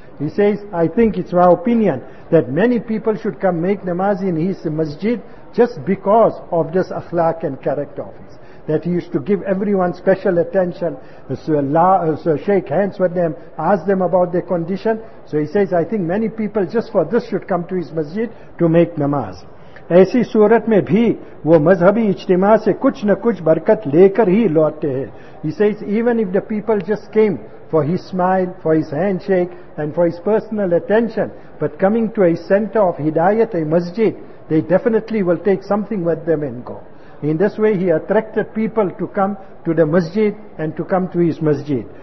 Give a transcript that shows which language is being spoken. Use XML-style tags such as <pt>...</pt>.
<en>He says, I think it's my opinion that many people should come make namaz in his masjid just because of this akhlaq and character of his. That he used to give everyone special attention, so shake hands with them, ask them about their condition. So he says, I think many people just for this should come to his masjid to make namaz.</en> <hi>ऐसी सूरत में भी वो मजहबी इज्तिमा से कुछ न कुछ बरकत लेकर ही लौटते हैं.</hi> <en>He says, even if the people just came for his smile, for his handshake, and for his personal attention, but coming to a center of hidayat, a masjid, they definitely will take something with them and go. In this way, he attracted people to come to the masjid and to come to his masjid.</en>